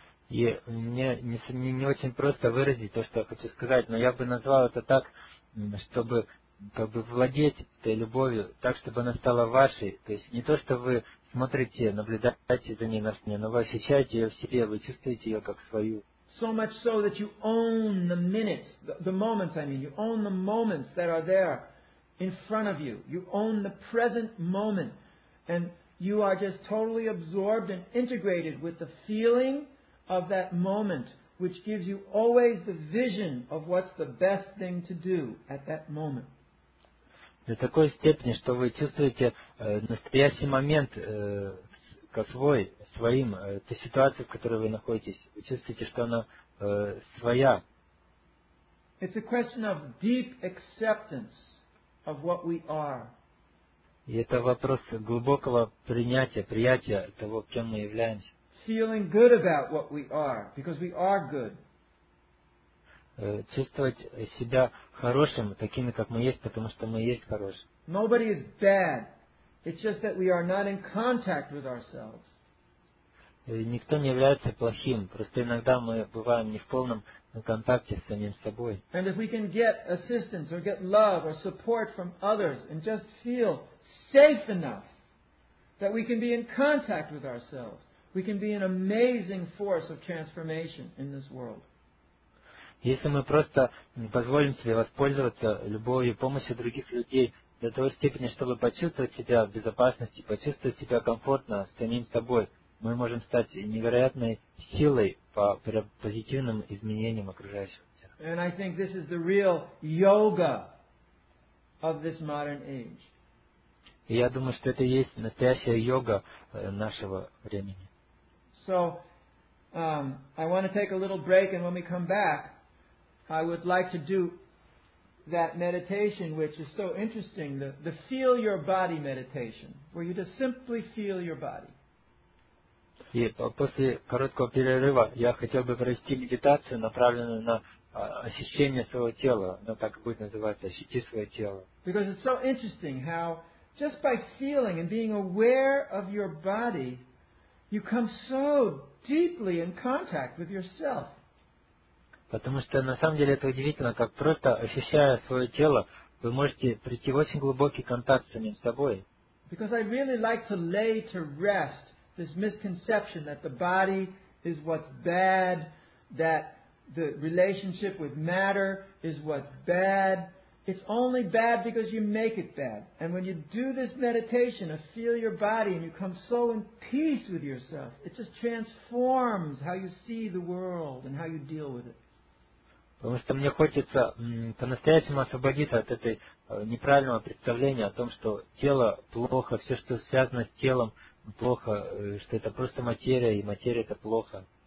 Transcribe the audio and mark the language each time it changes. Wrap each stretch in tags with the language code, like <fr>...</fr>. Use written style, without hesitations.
<ru>И мне не очень просто выразить то, что я хочу сказать, но я бы назвал это так, чтобы как бы владеть этой любовью так, чтобы она стала вашей. То есть не то, что вы смотрите, наблюдаете за ней на сне, но вы ощущаете ее в себе, вы чувствуете ее как свою.</ru> <en>So much so that you own the minutes, the moments, I mean, you own the moments that are there in front of you. You own the present moment. And you are just totally absorbed and integrated with the feeling of that moment, which gives you always the vision of what's the best thing to do at that moment.</en> <ru>До такой степени, что вы чувствуете настоящий момент как свой, своим, ту ситуацию, в которой вы находитесь, вы чувствуете, что она своя.</ru> <en>It's a question of deep acceptance of what we are.</en> <ru>И это вопрос глубокого принятия того, кем мы являемся.</ru> <en>Feeling good about what we are, because we are good.</en> <ru>Чувствовать себя хорошим, такими, как мы есть, потому что мы есть хорошие.</ru> <en>Nobody is bad. It's just that we are not in contact with ourselves.</en> <ru>Никто не является плохим. Просто иногда мы бываем не в полном контакте с самим собой.</ru> <en>And if we can get assistance or get love or support from others and just feel safe enough that we can be in contact with ourselves, we can be an amazing force of transformation in this world.</en> <ru>Если мы просто позволим себе воспользоваться любовью, помощью других людей до той степени, чтобы почувствовать себя в безопасности, почувствовать себя комфортно с самим собой, мы можем стать невероятной силой по позитивным изменениям окружающего мира.</ru> <en>And I think this is the real yoga of this modern age.</en> <ru>И я думаю, что это есть настоящая йога нашего времени.</ru> <en>So, I want to take a little break, and when we come back, I would like to do that meditation, which is so interesting, the feel your body meditation, where you just simply feel your body.</en> <ru>И после короткого перерыва я хотел бы провести медитацию, направленную на ощущение своего тела, она так и будет называться, ощути свое тело.</ru> <en>Because it's so interesting how just by feeling and being aware of your body, you come so deeply in contact with yourself.</en> <ru>Потому что на самом деле это удивительно, как просто ощущая свое тело, вы можете прийти в очень глубокий контакт с самим собой.</ru> <en>Because I really like to lay to rest this misconception that the body is what's bad, that the relationship with matter is what's bad. It's only bad because you make it bad. And when you do this meditation of feel your body and you come so in peace with yourself, it just transforms how you see the world and how you deal with it.</en> <ru>Потому что мне хочется по-настоящему освободиться от этой неправильного представления о том, что тело плохо, все, что связано с телом, плохо, что это просто материя, и материя – это плохо.</ru>